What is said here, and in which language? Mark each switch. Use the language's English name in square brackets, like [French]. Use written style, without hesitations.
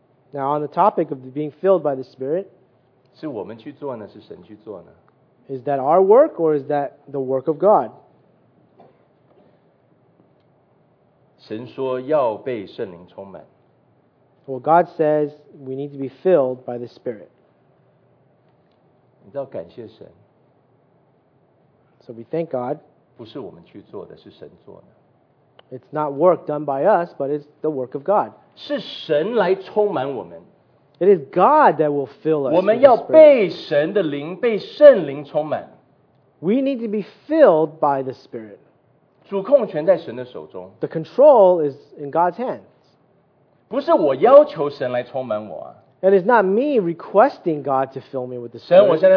[English] Now, on the topic of being filled by the Spirit, [Chinese] 是我们去做呢，是神去做呢？ [English] Is that our work or is that the work of God? [Chinese] 神说要被圣灵充满。 [English] Well, God says we need to be filled by the Spirit. [Chinese] 你知道感谢神。 [English] So we thank God. [Chinese] 不是我们去做的，是神做的。 [English] It's not work done by us, but it's the work of God. [Chinese] 是神来充满我们。 [English] It is God that will fill us. [Chinese] 我们要被神的灵，被圣灵充满。 [English] We need to be filled by the Spirit. [Chinese] 主控权在神的手中。 [English] The control is in God's hands. [Chinese] 不是我要求神来充满我啊。 [English] And it's not me requesting God to fill me with the Spirit.